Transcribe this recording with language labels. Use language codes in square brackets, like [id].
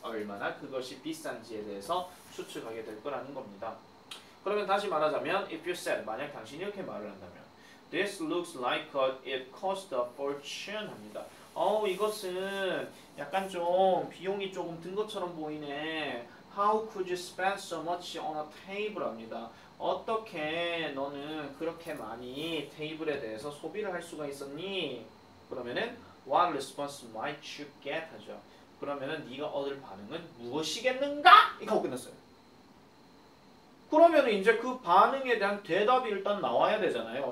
[ko] 얼마나 그것이 비싼지에 대해서 추측하게 될 거라는 겁니다. 그러면 다시 말하자면 [en] If you said, [ko] 만약 당신이 이렇게 말을 한다면 [en] This looks like it cost a fortune [ko] 합니다. 이것은 약간 좀 비용이 조금 든 것처럼 보이네. [en] How could you spend so much on a table [ko] 합니다. 어떻게 너는 그렇게 많이 테이블에 대해서 소비를 할 수가 있었니? 그러면은 [en] What response might you get? [ko] 하죠. 그러면은 네가 얻을 반응은 무엇이겠는가? 이거 끝났어요. 그러면은 이제 그 반응에 대한 대답이 일단 나와야 되잖아요.